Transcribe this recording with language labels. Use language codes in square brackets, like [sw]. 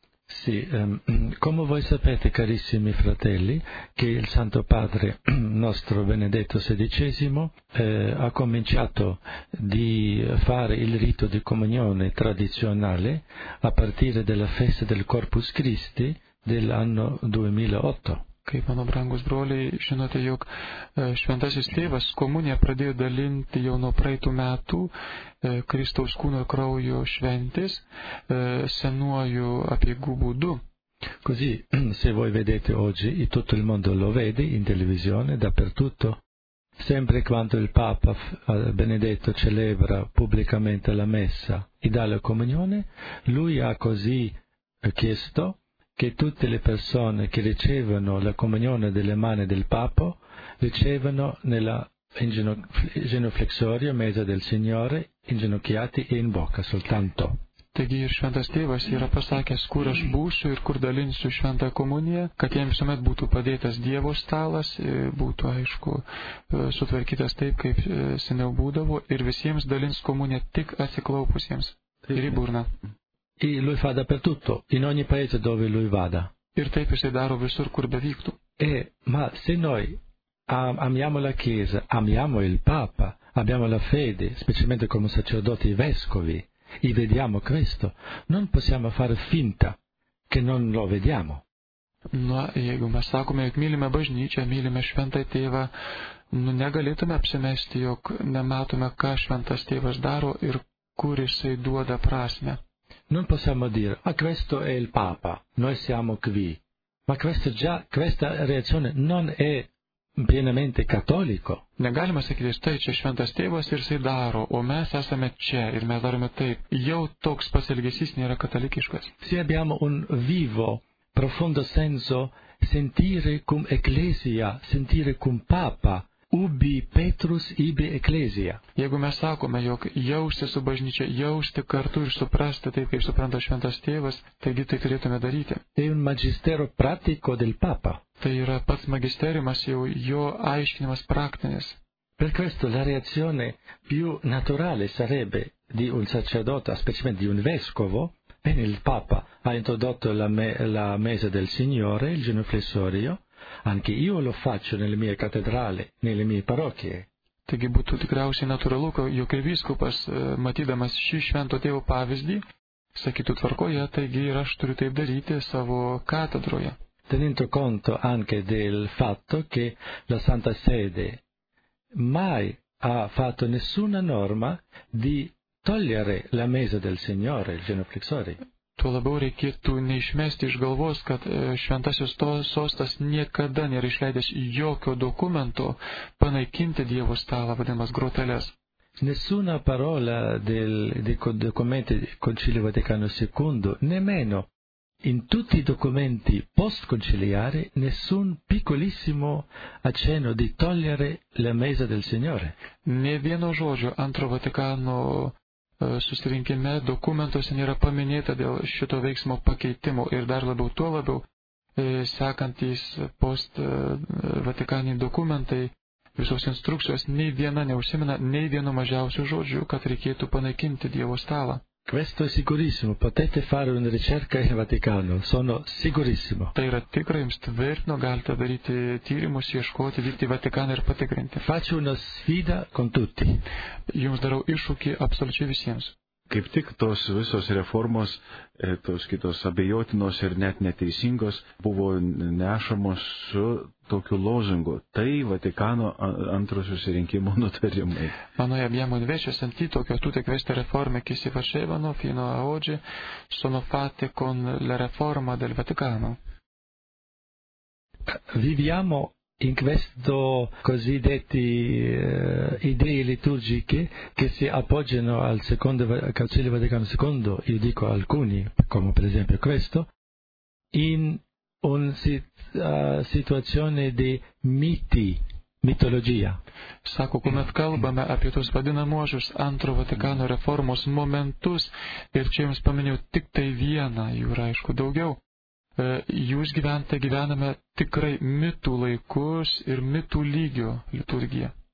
[it] Sì, come voi sapete, carissimi fratelli, che il Santo Padre nostro Benedetto XVI ha cominciato di fare il rito di comunione tradizionale a partire dalla festa del Corpus Christi dell'anno 2008. [lt] Kaip mano brangus broliai, žinote, jog šventasis tėvas komuniją pradėjo dalinti jau nuo praeitų metų Kristaus kūno kraujo šventės senuoju apiegų būdu. [it] Così, se voi vedete oggi, in tutto il mondo lo vede, in televisione, dappertutto. Sempre quando il Papa Benedetto celebra pubblicamente la messa e dà la comunione, lui ha così chiesto che tutte le persone che ricevono la comunione delle mani del Papa ricevono nella genuflexoria, mesa del Signore, inginocchiati e in bocca soltanto. [lt] Taigi ir šventas tėvas yra pasakęs, kur aš būsiu ir kur dalinsiu šventą komuniją, kad jiems visuomet būtų padėtas Dievo stalas, būtų, aišku, sutvarkytas taip, kaip seniau būdavo, ir visiems dalins komuniją tik atsiklaupusiems ir į burną. [it] E lui fa dappertutto, in ogni paese dove lui vada. [lt] Ir taip jisai daro visur, kur bevyktų. [it] Ma se noi amiamo la Chiesa, amiamo il Papa, abbiamo la fede, specialmente come sacerdoti e vescovi, e vediamo questo, non possiamo fare finta che non lo vediamo. [lt] No, jeigu mes sakome, jog mylime bažnyčią, mylime šventą tėvą, negalėtume apsimesti, jog nematome, ką šventas tėvas daro ir kur jisai duoda prasme. [it] Non possiamo dire, ma questo è il Papa, noi siamo qui, ma questo già, questa reazione non è pienamente cattolico. [lt] Negalima sakyti, tai čia šventas tėvas ir jisai daro, o mes esame čia ir mes darome taip, jau toks pasilgesys nėra katalikiškas. [it] Se abbiamo un vivo, profondo senso, [la] sentire cum ecclesia, sentire cum Papa. Ubi Petrus, ibi Ecclesia. [lt] Jeigu mes sakome, jog jausti su bažnyčia, jausti kartu ir suprasti taip, kaip supranta šventas tėvas, taigi tai turėtume daryti. [it] Tai un magistero pratico del Papa. [lt] Tai yra pats magisteriumas, jau jo aiškinimas praktinis. [it] Per questo la reazione più naturale sarebbe di un sacerdote, specialmente di un vescovo, bene il Papa ha introdotto la mesa del Signore, il genuflessorio, anche io lo faccio nelle mie cattedrali, nelle mie parrocchie. [lt] Taigi būtų tikriausiai natūralu, jog ir vyskupas, matydamas šį švento tėvo pavyzdį, sakytų tvarkoje, taigi ir aš turiu taip daryti savo katedroje. [it] Tenendo conto anche del fatto che la Santa Sede mai ha fatto nessuna norma di togliere la mesa del Signore, il genuflexori. [lt] Tuo labiau reikėtų neišmesti iš galvos, kad šventasis sostas niekada nėra išleidęs jokio dokumento panaikinti Dievo stalą, vadinamas groteles. [it] Nessuna parola dei documenti Concilio Vaticano II, nemmeno in tutti i documenti post-conciliari, nessun piccolissimo accenno di togliere la mesa del Signore. [lt] Ne vieno žodžio antro Vaticano susirinkime dokumentuose nėra paminėta dėl šito veiksmo pakeitimo ir dar labiau tuo labiau sekantys post Vatikaniai dokumentai, visos instrukcijos, nei viena neužsimena, nei vieno mažiausių žodžių, kad reikėtų panaikinti Dievo stalą. [it] Questo è sicurissimo, potete fare una ricerca in Vaticano, sono sicurissimo. [lt] Tai yra tikra, jums tvirtino, galite daryti tyrimus, ieškoti, vykti į Vatikaną ir patikrinti. [it] Faccio una sfida con tutti. [lt] Jums darau iššūkį absoliučiai visiems. Kaip tik tos visos reformos, tos kitos abejotinos ir net neteisingos, buvo nešamos su tokiu lozingu. Tai Vatikano antro susirinkimo nutarimai. Mano abiem unvečio senti tokio tutek veste reforme, kis įvašėvano [it] fino a oggi, sono fatte con la reforma del Vaticano. Viviamo in questo cosiddetti idee liturgiche che si appoggiano al secondo Concilio Vaticano II, io dico alcuni, come per esempio questo, in una situazione di miti, mitologia. [lt] Sako, kuomet kalbame apie tos vadinamuosius antro Vatikano reformos momentus, ir čia jums paminėjau tik tai vieną, jų yra aišku daugiau. Jūs gyventa gyvename tikrai mitų laikus ir mitų lygio liturgiją.